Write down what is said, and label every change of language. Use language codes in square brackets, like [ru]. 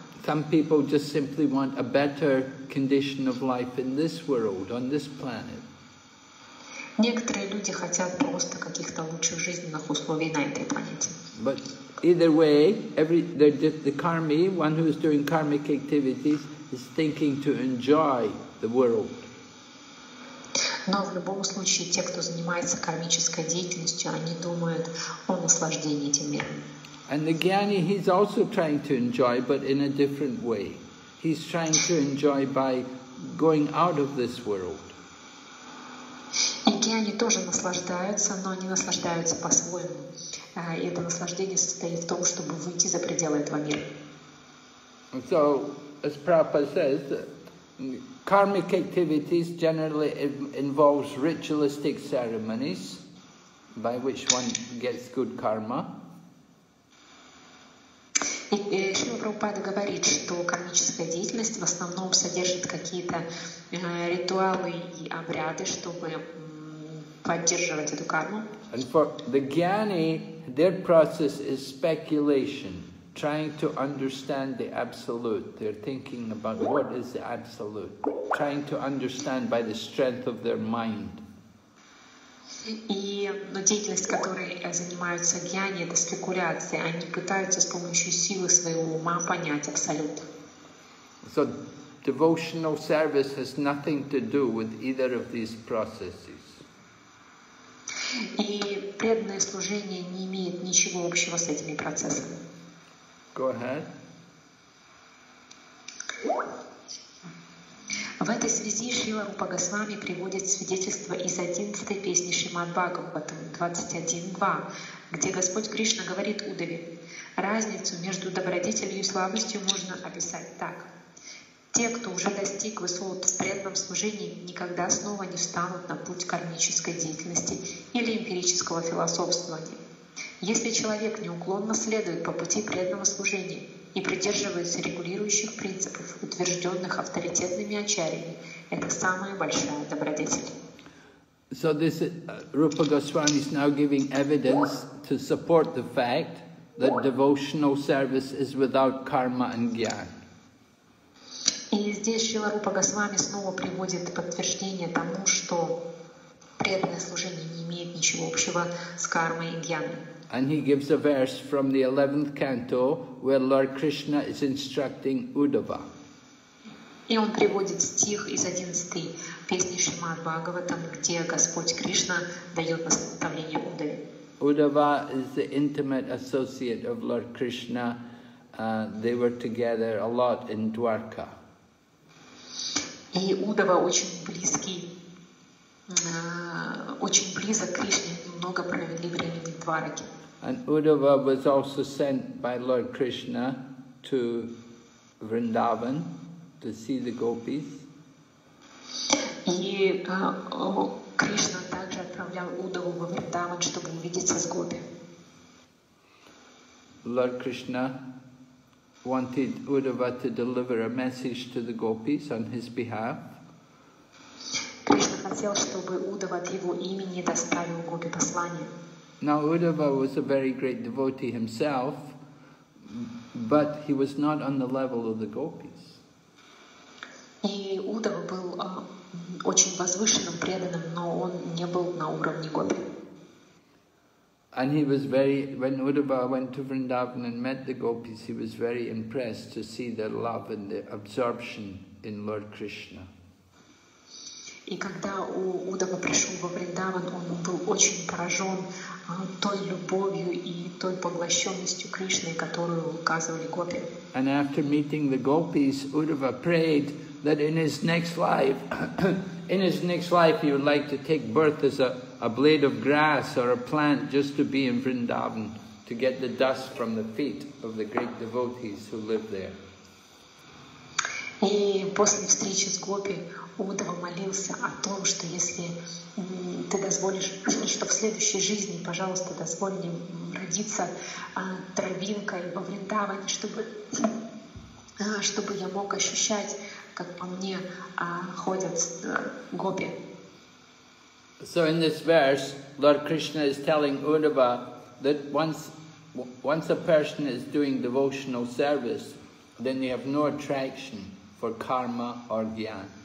[en] Some people just simply want a better condition of life in this world, on this planet. [ru] Некоторые люди хотят просто каких-то лучших жизненных условий на этой планете. [en] But either way, the karmi, one who is doing karmic activities, is thinking to enjoy the world. [ru] Но в любом случае, те, кто занимается кармической деятельностью, они думают о наслаждении этим миром. [en] And the Gyani, he's also trying to enjoy, but in a different way. He's trying to enjoy by going out of this world. [ru] И Гьяни тоже наслаждаются, но они наслаждаются по-своему. И это наслаждение состоит в том, чтобы выйти за пределы этого мира. [en] So, as Prabhupada says, karmic activities generally involves ritualistic ceremonies by which one gets good karma. [ru] Шрила Прабхупада говорит, что кармическая деятельность в основном содержит какие-то ритуалы и обряды, чтобы поддерживать эту карму. [en] And for the Gyani, their process is speculation, trying to understand the Absolute. They're thinking about what is the Absolute, trying to understand by the strength of their mind. [ru] И деятельность, которой занимаются гьяни, это спекуляции. Они пытаются с помощью силы своего ума понять Абсолют. [en] So, devotional service has nothing to do with either of these processes. [ru] И преданное служение не имеет ничего общего с этими процессами. [en] Go ahead. [ru] В этой связи Шрила Рупа Госвами приводит свидетельство из 11-й песни Шримад-Бхагаватам 21.2, где Господь Кришна говорит Удаве: «Разницу между добродетелью и слабостью можно описать так. Те, кто уже достиг высот в преданном служении, никогда снова не встанут на путь кармической деятельности или эмпирического философствования. Если человек неуклонно следует по пути преданного служения и придерживается регулирующих принципов, утвержденных авторитетными ачарьями, это самая большая добродетель». [en] So this Rupa Goswami is now giving evidence to support the fact that devotional service is without karma and jnana. [ru] И здесь Шрила Рупа Госвами снова приводит подтверждение тому, что преданное служение не имеет ничего общего с кармой и jnаной. [en] And he gives a verse from the 11th canto where Lord Krishna is instructing Uddhava. [ru] И он приводит стих из 11-й песни Шримад-Бхагаватам, где Господь Кришна дает наставление Уддаве. [en] Uddhava is the intimate associate of Lord Krishna. They were together a lot in Dwarka. [ru] И Уддава очень близок к Кришне, много провели времени в Двараке. [en] And Uddhava was also sent by Lord Krishna to Vrindavan to see the gopis. [ru] Krishna также отправлял Уддаву во Вриндаван, чтобы увидеться с гопи. [en] Lord Krishna wanted Uddhava to deliver a message to the gopis on his behalf. [ru] Krishna хотел, чтобы Уддава от его имени доставил гопи послание. [en] Now Uddhava was a very great devotee himself, but he was not on the level of the gopis. [ru] И Удава был очень возвышенным преданным, но он не был на уровне гопи. [en] And he was very, when Uddhava went to Vrindavan and met the gopis, he was very impressed to see their love and their absorption in Lord Krishna. [ru] И когда Удава пришел во Вриндаван, он был очень поражен той любовью и той поглощенностью Кришны, которую указывали гопи. [en] And after meeting the gopis, Uddhava prayed that in his next life, he would like to take birth as a blade of grass or a plant, just to be in Vrindavan, to get the dust from the feet of the great devotees who live there. [ru] И после встречи с гопи Удава молился о том, что если ты дозволишь, что в следующей жизни, пожалуйста, дозволь мне родиться травинкой во Вриндаване, чтобы я мог ощущать, как по мне ходят гопи. [en] So in this verse, Lord Krishna is telling Uddhava that once a person is doing devotional service, then they have no attraction for karma or jnana.